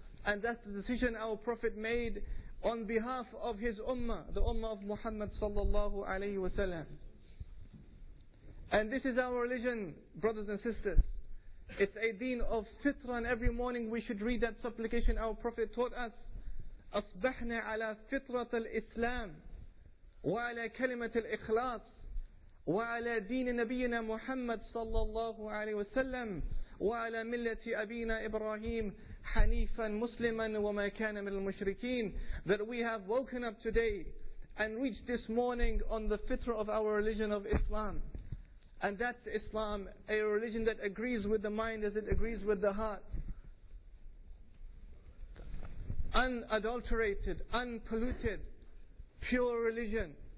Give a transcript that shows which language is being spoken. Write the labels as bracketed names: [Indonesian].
[English] And that's the decision our Prophet made on behalf of his ummah, the ummah of Muhammad sallallahu alayhi wa sallam. And this is our religion, brothers and sisters. It's a deen of fitra, and every morning we should read that supplication our Prophet taught us. [Arabic] أصبحنا على فطرة الإسلام وعلى كلمة الإخلاص وعلى دين نبينا محمد صلى الله عليه وسلم وعلى ملة أبينا إبراهيم حنيفا مسلما وما كان من المشركين. [English] That we have woken up today and reached this morning on the fitrah of our religion of Islam. And that's Islam, a religion that agrees with the mind as it agrees with the heart. Unadulterated, unpolluted, pure religion.